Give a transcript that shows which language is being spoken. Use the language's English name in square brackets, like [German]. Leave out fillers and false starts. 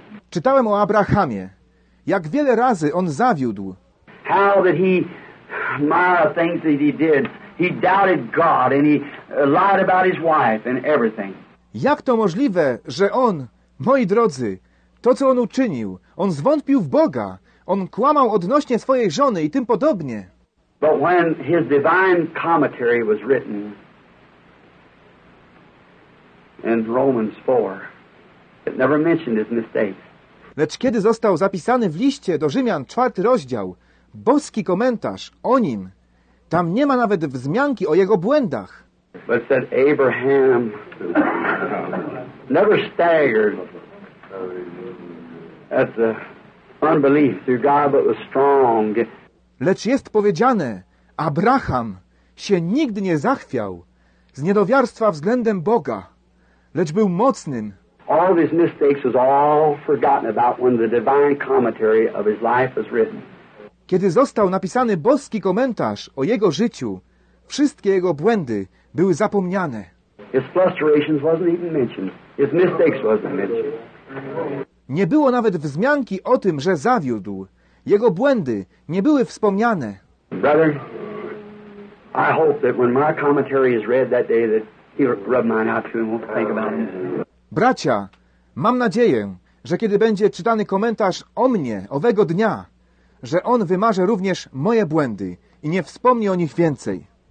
[Polish] Czytałem o Abrahamie. Jak wiele razy on zawiódł. [English] How that he admired things that he did. He doubted God and he lied about his wife and everything. [Polish] Jak to możliwe, że on, moi drodzy, to co on uczynił, on zwątpił w Boga, on kłamał odnośnie swojej żony i tym podobnie. [English] But when his divine commentary was written in Romans 4, it never mentioned his mistakes. [Polish] Lecz kiedy został zapisany w liście do Rzymian, 4 rozdział, boski komentarz o nim, tam nie ma nawet wzmianki o jego błędach. [English] But said Abraham never staggered at the unbelief through God, but was strong. [Polish] Lecz jest powiedziane, Abraham się nigdy nie zachwiał z niedowiarstwa względem Boga, lecz był mocnym. [English] All of his mistakes was all forgotten about when the divine commentary of his life was written. [Polish] Kiedy został napisany boski komentarz o jego życiu, wszystkie jego błędy były zapomniane. [English] His frustrations wasn't even mentioned. His mistakes wasn't mentioned. [Polish] Nie było nawet wzmianki o tym, że zawiódł. Jego błędy nie były wspomniane. [English] Brother, I hope that when my commentary is read that day, that he rubbed mine out to him and won't think about it. [Polish] Bracia, mam nadzieję, że kiedy będzie czytany komentarz o mnie owego dnia, że on wymarzy również moje błędy i nie wspomni o nich więcej.